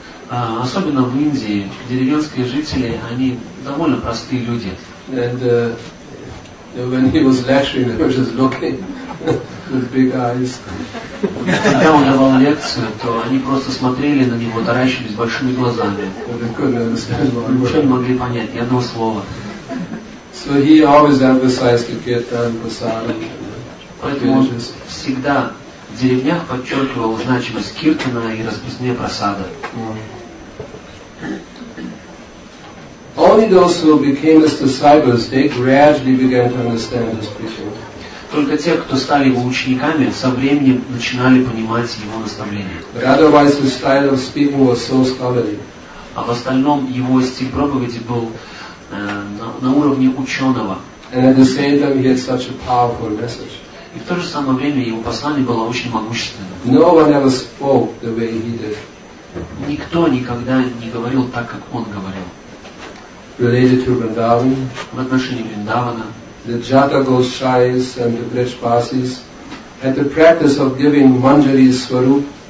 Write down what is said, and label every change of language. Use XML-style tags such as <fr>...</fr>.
<ru>Особенно в Индии, деревенские жители, они довольно простые люди.</ru> <en>And when he was lecturing, they were just looking. With big eyes.</en> <ru>Когда он давал лекцию, то они просто смотрели на него, таращились большими глазами. Ничего не могли понять, ни одного слова.</ru> <en>So he always emphasized the kirtan, prasadam.</en> <ru>Поэтому он всегда в деревнях подчеркивал значимость киртана и распространение прасада.</ru> <en>Only those who became his disciples, they gradually began to understand this preaching.</en> <ru>Только те, кто стали его учениками, со временем начинали понимать его наставления.</ru> <en>But otherwise, his style of speaking was so scholarly.</en> <ru>а в остальном его стиль проповеди был на уровне ученого.</ru> <en>And at the same time, he had such a powerful message.</en> <ru>И в то же самое время его послание было очень могущественным.</ru> <en>No one ever spoke the way he did.</en> <ru>Никто никогда не говорил так, как он говорил.</ru> <en>Related to Vrindavan,</en> <ru>в отношении Вриндавана,</ru> <en>the Jatagoshais and the Brajpasis had the practice of giving Manjari Swarup.</en>